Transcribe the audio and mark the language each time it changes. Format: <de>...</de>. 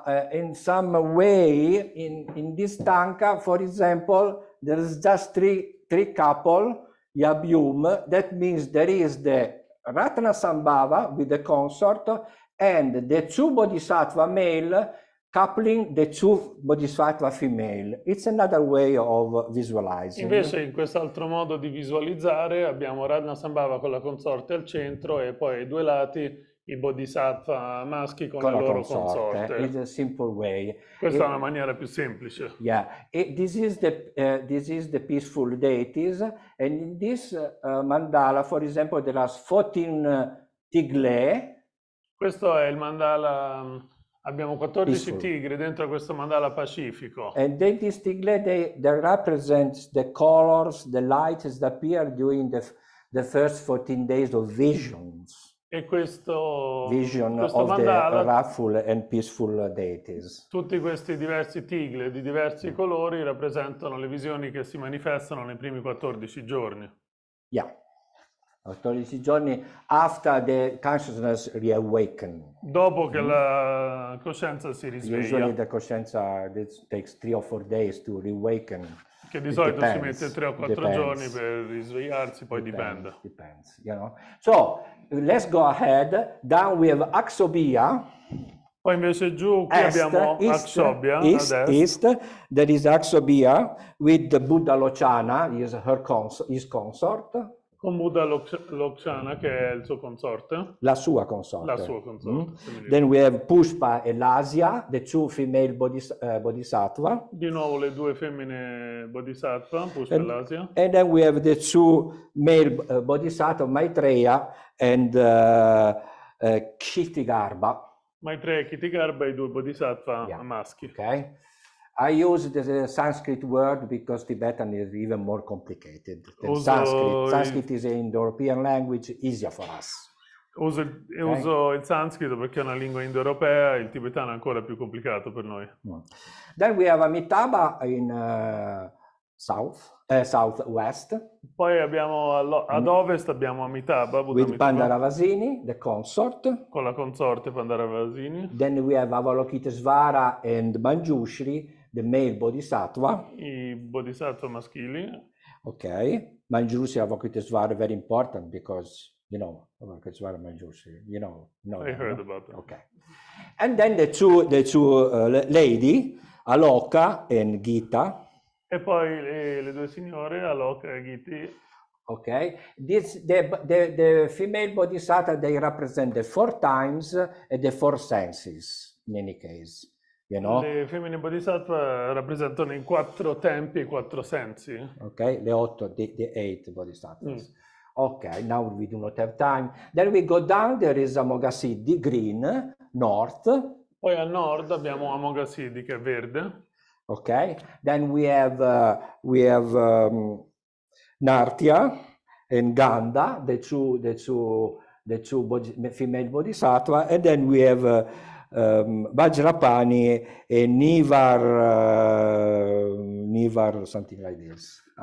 <en>In some way in this tanka, for example, there is just three couple. Yabhyum, that means there is the Ratna Sambhava with the consort and the two bodhisattva male coupling the two bodhisattva female. It's another way of visualizing.</en> <it>Invece in quest'altro modo di visualizzare abbiamo Ratna Sambhava con la consorte al centro e poi ai due lati i bodhisattva maschi con la loro consorte.</it> <en>It's a simple way.</en> <it>Questa è una maniera più semplice.</it> <en>Yeah, this is the peaceful deities, and in this mandala, for example, there are 14 tigle.</en> <it>Questo è il mandala Abbiamo 14 tigri dentro questo mandala pacifico.</it> <en>And they distinctly they represent the colors, the lights that appear during the first 14 days of visions.</en> <it>E questo</it> <en>vision</en> <it>questo</it> <en>of</en> <it>mandala,</it> <en>the wrathful and peaceful deities.</en> <it>Tutti questi diversi tigri di diversi colori rappresentano le visioni che si manifestano nei primi 14 giorni.</it> <en>Yeah. 14 giorni after the consciousness reawakens.</en> <it>Dopo che la coscienza si risveglia.</it> <en>Usually the coscienza takes 3 or 4 days to reawaken.</en> <it>Che di solito si mette 3 o 4 giorni per risvegliarsi, poi dipende.</it> <en>Depends, you know. So, let's go ahead. Down we have Axobia.</en> <it>Poi invece giù qui est, abbiamo Axobia.</it> <en>East, that is Axobia with the Buddha Lochana, his consort.</en> <it>Con Buddha Lochana, che è il suo consorte. La sua consorte. La sua consorte. Mm-hmm.</it> <en>Then we have Pushpa e Lasya, the two female bodhisattva.</en> <it>Di nuovo le due femmine bodhisattva, Pushpa e Lasya.</it> <en>And then we have the two male bodhisattva, Maitreya and Kitigarbha.</en> <it>Maitreya e Kitigarbha, i due bodhisattva maschi.</it> <en>Okay. I use the Sanskrit word because Tibetan is even more complicated than Sanskrit. Sanskrit is an Indo-European language, easier for us.</en> <it>Uso il sanscrito perché è una lingua indoeuropea, il tibetano è ancora più complicato per noi.</it> <en>Then we have Amitabha in southwest.</en> <it>Poi abbiamo ad ovest abbiamo Amitabha, Buddha</it> <en>with Pandaravasini, the consort.</en> <it>Con la consorte Pandaravasini.</it> <en>Then we have Avalokitesvara and Manjushri, the male bodhisattva.</en> <it>I bodhisattva maschili.</it> <en>Ok, Manjushri e Avalokitesvara very important because, you know, Avalokitesvara e Manjushri, you know. I heard about that. Okay. And then the two ladies, Aloka and Gita.</en> <it>E poi le due signore, Aloka e Gita.</it> <en>Ok, the female bodhisattva, they represent the 4 times and the 4 senses, in any case. You know?</en> <it>Le femmine bodhisattva rappresentano in 4 tempi e 4 sensi.</it> <en>Ok,</en> <it>le 8,</it> <en>the 8 bodhisattvas. Mm. Ok, now we do not have time. Then we go down, there is Amoghasiddhi, green, north.</en> <it>Poi a nord abbiamo Amoghasiddhi, che è verde.</it> <en>Ok, then we have Nartya and Ganda, the two female bodhisattva, and then we have Vajrapani e Nivar something like this.</en>